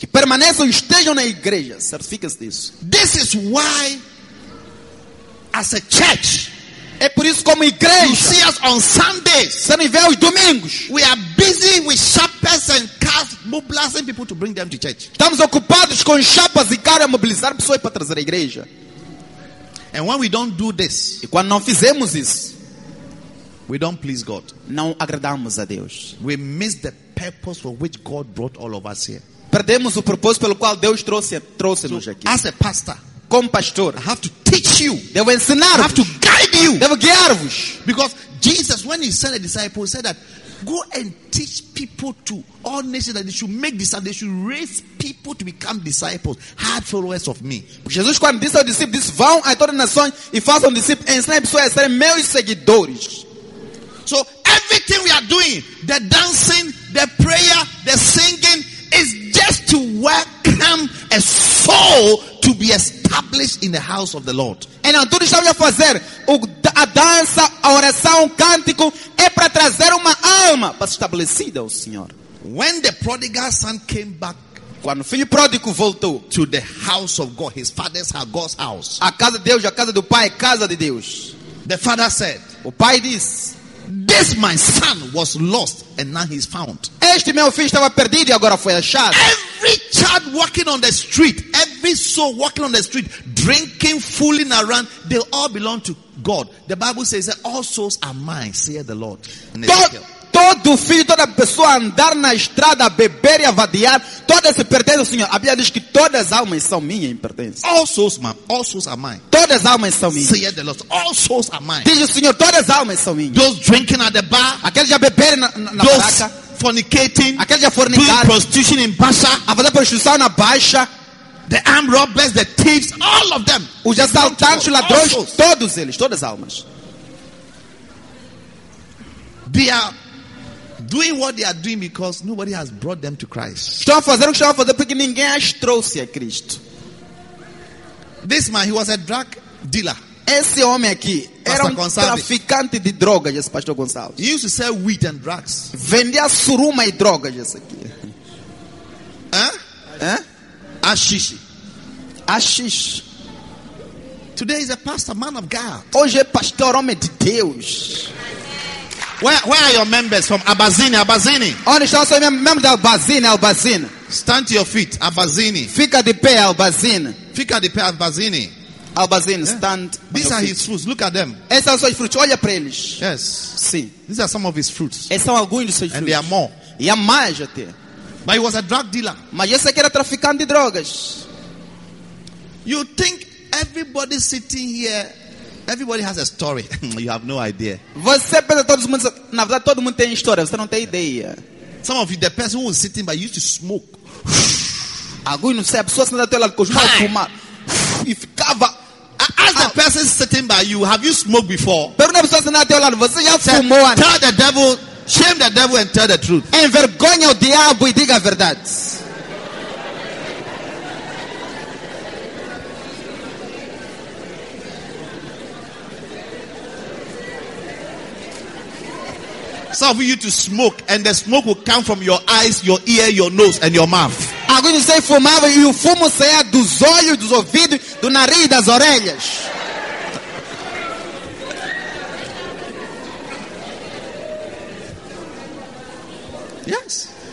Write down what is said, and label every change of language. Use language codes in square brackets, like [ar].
[pt] Que permaneçam e estejam na igreja. Certifica-se disso. [en] This is why, as a church, [pt] é por isso como igreja. [en] You see us on Sundays. [pt] Você me vê os domingos. [en] We are busy with shepherds and cars mobilizing people to bring them to church. [pt] Estamos ocupados com chapas e carros a mobilizar pessoas para trazer a igreja. [en] And when we don't do this, [pt] e quando não fizemos isso, [en] we don't please God. [pt] Não agradamos a Deus. [en] We miss the purpose for which God brought all of us here. [pt] Perdemos o propósito pelo qual Deus trouxe-nos so, aqui. [en] As a pastor, [pt] como pastor, [en] I have to teach you. [pt] Devo ensinar. [en] I have to guide you. [pt] Devo guiar-vos. [en] Because Jesus, when he sent a disciple, said that go and teach people to all nations that they should make disciples. They should raise people to become disciples, hard followers of me. [pt] Jesus quando disse aos discípulos, vão a todas as nações e façam discípulos, ensinem pessoas a serem meus seguidores. [en] So everything we are doing, the dancing, the prayer, the singing, is just to welcome a soul to be established in the house of the Lord. [pt] Então tudo estamos a fazer, a dança, a oração, o cântico, é para trazer uma alma para se estabelecer ao Senhor. [en] When the prodigal son came back, [pt] quando o filho pródigo voltou [en] to the house of God, his father's house, God's house, [pt] a casa de Deus, a casa do pai, a casa de Deus. [en] The father said, [pt] o pai disse, [en] this my son was lost and now he's found. [pt] Este meu filho estava perdido e agora foi achado. [en] Every child walking on the street, every soul walking on the street, drinking, fooling around, they all belong to God. The Bible says that all souls are mine, saith the Lord. [pt] Todo filho, toda pessoa andar na estrada, beber e avadiar, todas se pertencem ao Senhor. A Bíblia diz que todas as almas são minhas em pertença. [en] All souls are mine. [pt] Todas as almas são minhas. [en] Say it the Lord. All souls are mine. [pt] Diz o Senhor, todas as almas são minhas. [en] Those drinking at the bar. [pt] Aqueles já beberem na barraca. [en] Fornicating. [pt] Aqueles já fornicaram. [en] Doing prostitution in Baixa. [pt] A fazer prostituição na Baixa. [en] The armed robbers, the thieves, all of them. [pt] Os assaltantes, ladrões, todos eles, todas as almas. [en] They are doing what they are doing because nobody has brought them to Christ. [pt] Estão a fazer o que estão a fazer porque ninguém as trouxe a Cristo. [en] This man, he was a drug dealer. [pt] Esse homem aqui, Pastor era um Gonçalves. Traficante de drogas, esse Pastor Gonçalves. [en] He used to sell weed and drugs. [pt] Vendia suruma e drogas, esse aqui. Hã? Ashishi. Ashish. [en] Today is a pastor, man of God. [pt] Hoje é pastor, homem de Deus. [en] Where are your members from Abazini? Abazini. [pt] Onde estão os seus membros da Abazini? Abazini. [en] Stand to your feet, Abazini. [pt] Fica de pé, Abazini. Fica de pé, Abazini. [en] Abazini, stand. These are his fruits. Look at them. [pt] Esses são os seus frutos. Olha para eles. [en] Yes. [pt] Sim. [en] These are some of his fruits. [pt] Esses são alguns dos seus frutos. [en] And they are more. [pt] E há mais até. [en] But he was a drug dealer. [pt] Mas esse aqui era traficante de drogas. [en] You think everybody sitting here? Everybody has a story. You have no idea. [pt] Você pensa todos mundo, na verdade todo mundo tem história. Você não tem ideia. [en] Some of you, the person who was sitting by, used to smoke. [pt] Alguns não sei, a pessoa sentada lá com o fumar. E ficava. [en] As the person sitting by you, have you smoked before? [pt] Pergunta a pessoa sentada lá, você já fumou antes? [en] Tell the devil, shame the devil and tell the truth. [pt] Envergonha o diabo e diga a verdade. [en] Some of you to smoke, and the smoke will come from your eyes, your ear, your nose, and your mouth. [pt] Agora você sai fumava e o fumo saia dos olhos, dos ouvidos, do nariz, das orelhas. [en] Yes.